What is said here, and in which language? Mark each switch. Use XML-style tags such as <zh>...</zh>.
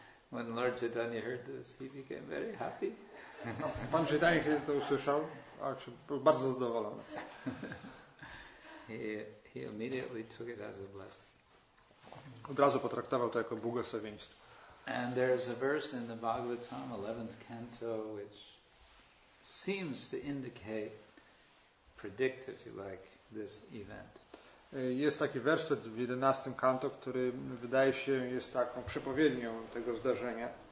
<en>When Lord Chaitanya heard this, he became very happy.</en> <pl>Pan Chaitanya, kiedy to usłyszał, był bardzo zadowolony.</pl> <en>He immediately took it as a blessing.</en> <pl>Od razu potraktował to jako błogosławieństwo.</pl> <en>And there is a verse in the Bhagavatam, 11th canto, which seems to indicate, predict, if you like, this event.</en> <pl>Jest taki werset w 11 kanto, który wydaje się jest taką przepowiednią tego zdarzenia.</pl>